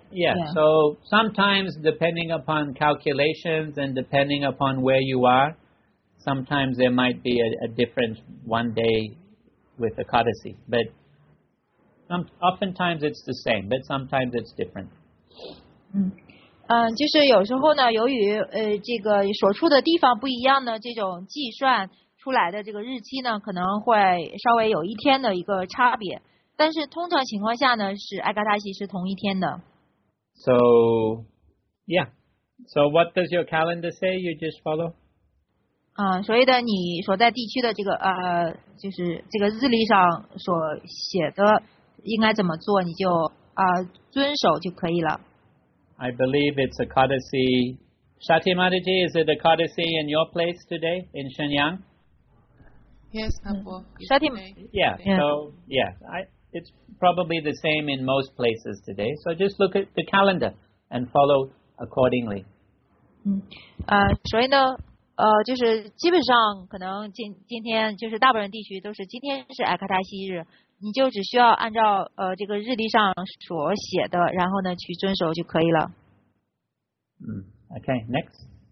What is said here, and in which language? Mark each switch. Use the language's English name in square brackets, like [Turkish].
[English] Yeah, so sometimes depending upon calculations and depending upon where you are, sometimes there might be a different one day with a codicy. But oftentimes it's the same, but sometimes it's different. [Chinese] 就是有时候呢，由于这个所处的地方不一样呢，这种计算出来的这个日期呢，可能会稍微有一天的一个差别。但是通常情况下呢，是艾卡达西是同一天的。 [English] So, yeah. So what does your calendar say? You just follow. [Chinese] 所以的你所在地区的这个就是这个日历上所写的应该怎么做，你就遵守就可以了。 [English] I believe it's a codicy. Shati Mataji, is it a codicy in your place today in Shenyang? Yes, Kapo. Shati. Yeah. So yeah, It's probably the same in most places today. So just look at the calendar and follow accordingly. [Chinese] 所以呢，就是基本上可能今天就是大部分地区都是今天是艾卡达西日，你就只需要按照这个日历上所写的，然后呢去遵守就可以了。 [English] Okay, next.